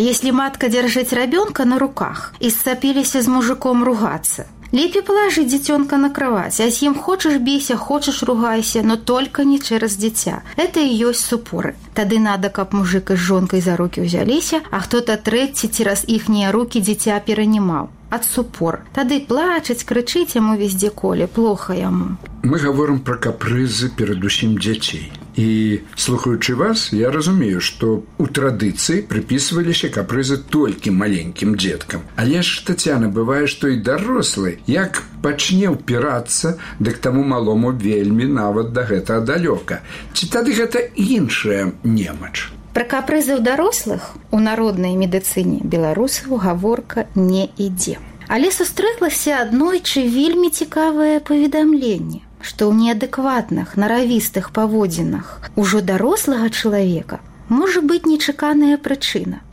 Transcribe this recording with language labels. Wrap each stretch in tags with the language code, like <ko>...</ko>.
<be>«Если матка дзяржыць рабёнка на руках і сцапіліся з мужыком ругацца, лепі палажы дзіцёнка на кроваць, а з ім хочаш біся, хочаш ругайся, но толька не чэраз дзіця. Это і ёсць супоры. Тады надо, каб мужык з жонкай за рукі ўзяліся, а хто-то трэці цераз іхнія рукі дзіця перанімаў. Ад супор. Тады плачаць, крычыць яму везде коле, плоха яму». Мы гаворым пра капрызы перадусім дзяцей.</be> <uk>І слухаючи вас, я розумію, що у традиції приписувалися капризи тільки маленьким діткам. Але ж, Тетяна, буває, що і дорослий, як почне впиратися, дак тому малому</uk> <be>вельми навіть до гэтага далёка. Чи тады гэта іншая немач? Про капризи у дорослих у народной медицине беларусов гаворка не іде. Але сустрэлася аднойчы вельмі цікавае паведамленне, што ў неадэкватных, наравістых паводзінах ўжо дарослага чалавека можа быць нечаканая прычына.</be>